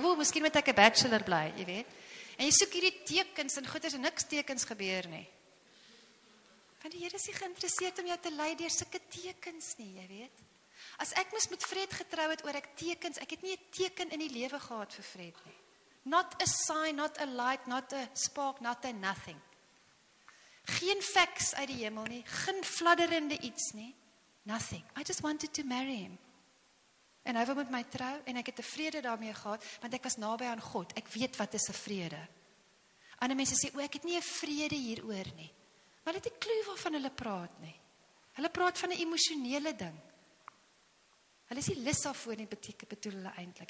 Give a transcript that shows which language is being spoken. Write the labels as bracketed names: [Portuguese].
[Afrikaans] O, miskien moet ek 'n bachelor bly, jy weet. En jy soek hierdie tekens en goeie en niks tekens gebeur nie. Want die Here is nie geïnteresseerd om jou te lei deur sulke tekens nie, jy weet. As ek mis met Fred getrou het oor ek tekens, ek het nie 'n teken in die lewe gehad vir Fred nie. [English] Not a sign, not a light, not a spark, not a nothing. [Afrikaans] Geen facts uit die hemel nie, geen fladderende iets nie, nothing. [English] I just wanted to marry him. [Afrikaans] En hy wil met my trou, en ek het 'n vrede daarmee gehad, want ek was naby aan God, ek weet wat is 'n vrede. Ander mense sê, ek het nie 'n vrede hier oor nie. Maar het die clue waarvan hulle praat nie. Hulle praat van 'n emosionele ding. Hulle is die lis daarvoor nie, bedoel hulle eintlik.